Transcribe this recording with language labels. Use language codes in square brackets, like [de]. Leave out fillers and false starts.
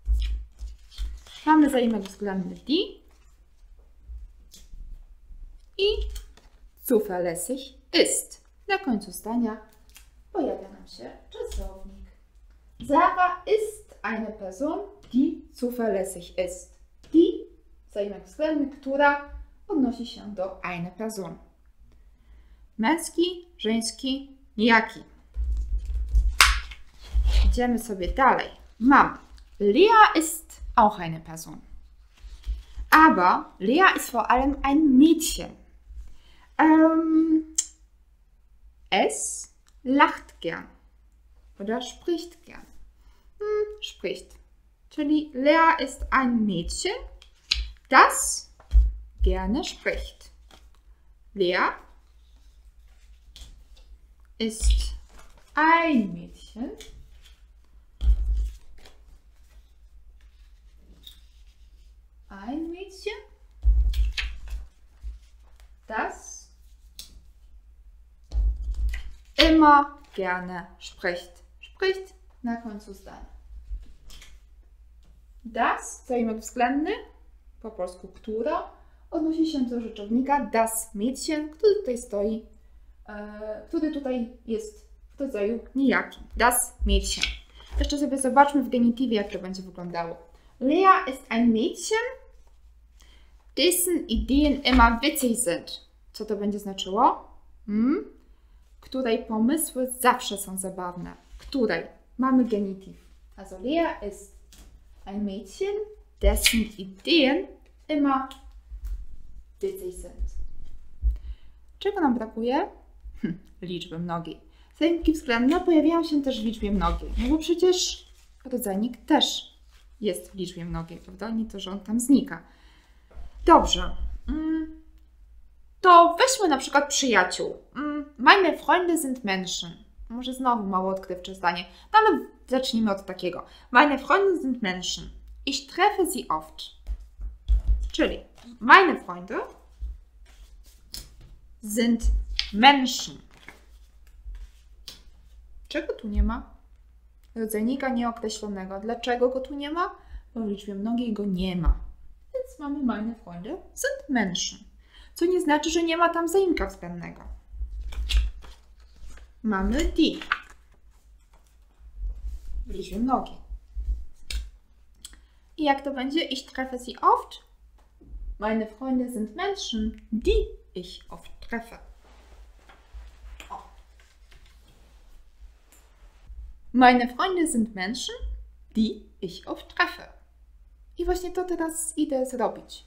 [pl] Oh, może tak, żebyśmy widzieli E. [de] Eine Person. [pl] Mamy zaimek względny die. I zuverlässig ist. Na końcu zdania pojawia nam się czasownik. [de] Sarah ist eine Person, die zuverlässig ist. [pl] Die zaimek względny, która odnosi się do eine Person. Męski, żeński, nijaki. Idziemy sobie dalej. Mam. [de] Lea ist auch eine Person. Aber Lea ist vor allem ein Mädchen. Es lacht gern. Oder spricht gern. Spricht. Czyli Lea ist ein Mädchen, das gerne spricht. Lea ist ein Mädchen, das immer gerne spricht. [pl] Spricht, na końcu zdania. Das, zajmę względny, po polsku, która, odnosi się do rzeczownika das Mädchen, który tutaj stoi. Który tutaj jest w rodzaju nijakim. Das Mädchen. Jeszcze sobie zobaczmy w genitywie, jak to będzie wyglądało. [de] Lea ist ein Mädchen, dessen Ideen immer witzig sind. [pl] Co to będzie znaczyło? Której pomysły zawsze są zabawne. Której? Mamy genitiv. [de] Also Lea ist ein Mädchen, dessen Ideen immer witzig sind. [pl] Czego nam brakuje? Liczby mnogiej. Zajmki względne pojawiają się też w liczbie mnogiej. No bo przecież rodzajnik też jest w liczbie mnogiej, prawda? Nie to, że on tam znika. Dobrze. To weźmy na przykład przyjaciół. Meine Freunde sind Menschen. Może znowu mało odkrywcze zdanie. No ale zacznijmy od takiego. [de] Meine Freunde sind Menschen. Ich treffe sie oft. Czyli meine Freunde sind Menschen. [pl] Czego tu nie ma? Rodzajnika nieokreślonego. Dlaczego go tu nie ma? Bo w liczbie mnogiej go nie ma. Więc mamy meine Freunde sind Menschen. Co nie znaczy, że nie ma tam zaimka względnego. Mamy die. W liczbie mnogiej. I jak to będzie? [de] Ich treffe sie oft. Meine Freunde sind Menschen, die ich oft treffe. Meine Freunde sind Menschen, die ich oft treffe. [pl] I właśnie to teraz idę zrobić.